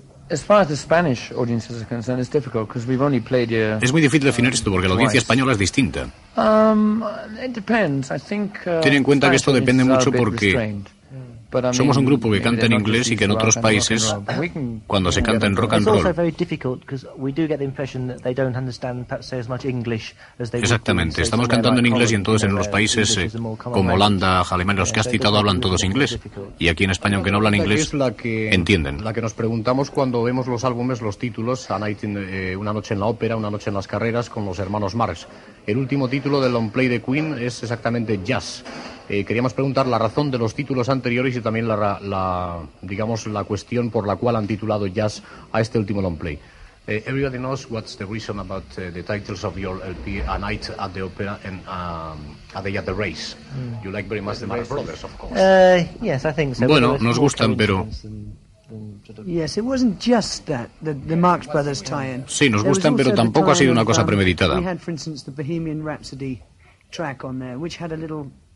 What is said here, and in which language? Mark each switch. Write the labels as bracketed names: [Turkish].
[English] As far as the Spanish audiences are concerned, it's difficult because we've only played here. [Spanish] Es muy difícil definir esto porque la audiencia española es distinta. [English] It depends. I think. [Spanish] Ten en cuenta que esto depende mucho porque. Somos un grupo que canta en inglés y que en otros países, cuando se canta en rock and roll... Exactamente, estamos cantando en inglés y entonces en los países como Holanda, Alemania, los que has citado, hablan todos inglés. Y aquí en España, aunque no hablan inglés, entienden. La que nos preguntamos cuando vemos los álbumes, los títulos, Una noche en la ópera, Una noche en las carreras, con los hermanos Marx. El último título del Long Play de Queen es exactamente Jazz. Queríamos preguntar la razón de los títulos anteriores y también la cuestión por la cual han titulado Jazz a este último long play. [English] Everybody knows what's the reason about the titles of your LP, A Night at the Opera and A Day at the Race. Mm. You like very much the Marx Brothers, of course. Yes, I think so. [Spanish] Bueno, nos gustan, pero... [English] Yes, it wasn't just that, the Marx Brothers tie-in. [Spanish] Sí, nos gustan, pero tampoco ha sido una cosa premeditada. [English] We had, for instance, the Bohemian Rhapsody track on there, which had a little...